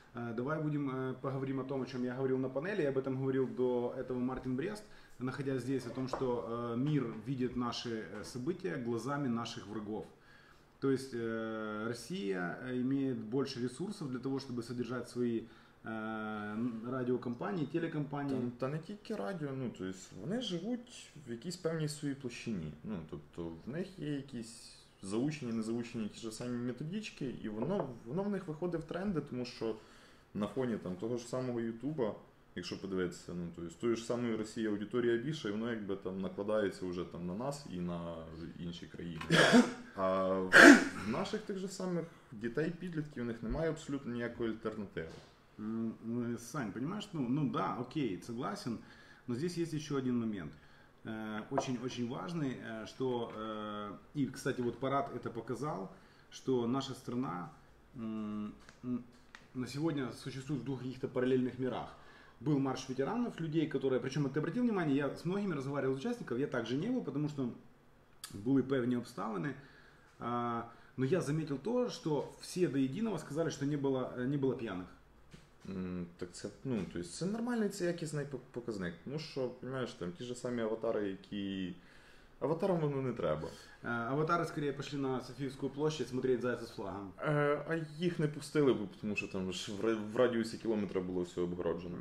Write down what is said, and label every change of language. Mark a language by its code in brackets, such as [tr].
[ru] Давай будем поговорим о том, о чем я говорил на панели. Я об этом говорил до этого Мартин Брест, находясь здесь, о том, что мир видит наши события глазами наших врагов. То есть Россия имеет больше ресурсов для того, чтобы содержать свои... [uk] радіокомпанії, телекомпанії. Та не тільки радіо, ну, тобто, вони живуть в якійсь певній своїй площині. Ну, тобто, в них є якісь заучені, незаучені ті ж самі методички, і воно в них виходить в тренди, тому що на фоні там того ж самого Ютуба, якщо подивитися, ну то з тої ж самої Росії аудиторія більша, і воно якби там накладається вже там на нас і на інші країни. А в наших тих же самих дітей, підлітків, у них немає абсолютно ніякої альтернативи. [ru] Сань, понимаешь, ну да, окей, согласен, но здесь есть еще один момент, очень-очень важный, что, и, кстати, вот парад это показал, что наша страна на сегодня существует в двух каких-то параллельных мирах. Был марш ветеранов, людей, которые, причем, ты обратил внимание, я с многими разговаривал участников, я также не был, потому что были [uk] певные обставины, [ru] но я заметил то, что все до единого сказали, что не было пьяных. [uk] Так це, ну, то есть це нормальний, це якісний показник. Ну що, розумієш, там ті ж самі аватари, які... Аватарам воно не треба. Аватари, скоріше, пішли на Софіївську площу смотреть зайця з флагом. А їх не пустили б, тому що там ж в радіусі кілометра було все обгороджено.